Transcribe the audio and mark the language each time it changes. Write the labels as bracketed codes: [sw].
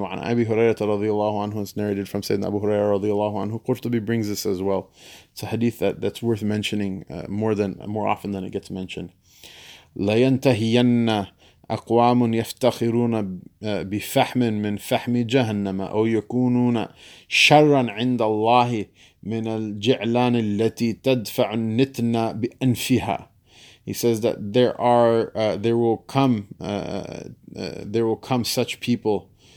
[ar] وَعَنْ أَبِي هُرَيْرَةَ رَضِيَ اللَّهُ عَنْهُ [en] It's narrated from Sayyidina Abu Hurairah [ar] رَضِيَ اللَّهُ عَنْهُ [en] Qurtubi brings this as well. It's a hadith that's worth mentioning more often than it gets mentioned. [ar] لَيَنْتَهِيَنَّ أقوام يفتخرون بفحم من فحم جهنم أو يكونون شرا عند الله من الجعلان التي تدفع النتن بأنفها. [en] He says that there will come such people.